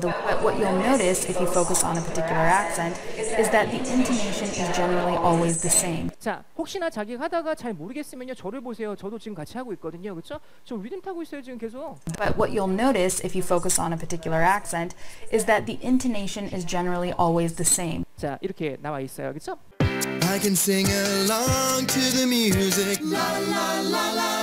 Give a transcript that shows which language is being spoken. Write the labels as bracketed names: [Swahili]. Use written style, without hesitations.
[English] But what you'll notice if you focus on a particular accent is that the intonation is generally always the same. [Korean] 자, 혹시나 자기 하다가 잘 모르겠으면요, 저를 보세요. 저도 지금 같이 하고 있거든요, 그렇죠? 저 리듬 타고 있어요, 지금 계속. [English] But what you'll notice if you focus on a particular accent is that the intonation is generally always the same. [Korean] 자, 이렇게 나와 있어요, 그렇죠? [English] I can sing along to the music. La la la la.